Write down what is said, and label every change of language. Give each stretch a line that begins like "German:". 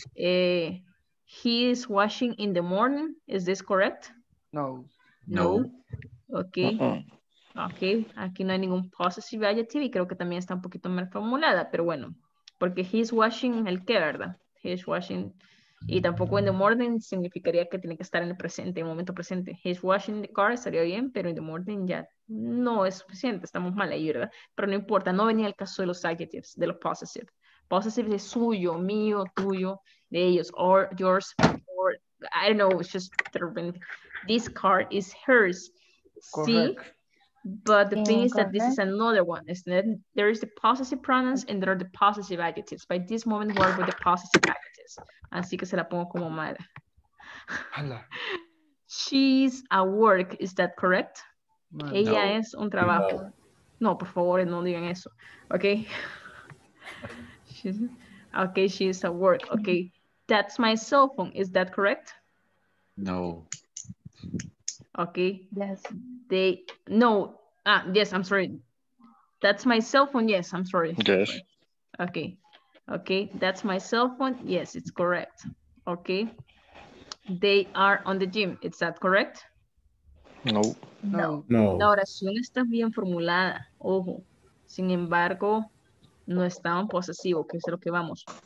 English: He is washing in the morning. Is this correct? No. No. Okay.
Spanish: Ok, aquí no hay ningún possessive adjective y creo que también está un poquito mal formulada, pero bueno, porque
English: he's washing
Spanish: el qué, ¿verdad?
English: He's washing,
Spanish: y tampoco
English: in the morning
Spanish: significaría que tiene que estar en el presente, en el momento presente.
English: He's washing the car
Spanish: estaría bien, pero
English: in the morning
Spanish: ya no es suficiente, estamos mal ahí, ¿verdad? Pero no importa, no venía el caso de los adjectives, de los possessive. Possessive es suyo, mío, tuyo, de ellos,
English: or yours, or, I don't know, it's just terrible. This car is hers. Correct. Sí. But the thing is that this is another one, isn't it? There is the possessive pronouns and there are the possessive adjectives. By this moment, we're with the possessive adjectives.
Spanish: Así que se la pongo como mala. Hola.
English: She's at work, is that correct? No.
Spanish: Ella es un trabajo. No, por favor, no digan eso. Okay.
English: Okay, she is at work. Okay. That's my cell phone, is that correct? No. Okay. Yes. They, no, ah, yes, I'm sorry. That's my cell phone, yes, I'm sorry. Yes. Okay, okay, that's my cell phone, yes, it's correct. Okay, they are on the gym, is that correct? No. No. No.
Spanish: La oración está bien formulada, ojo. Sin embargo, no está en posesivo, que es lo que vamos.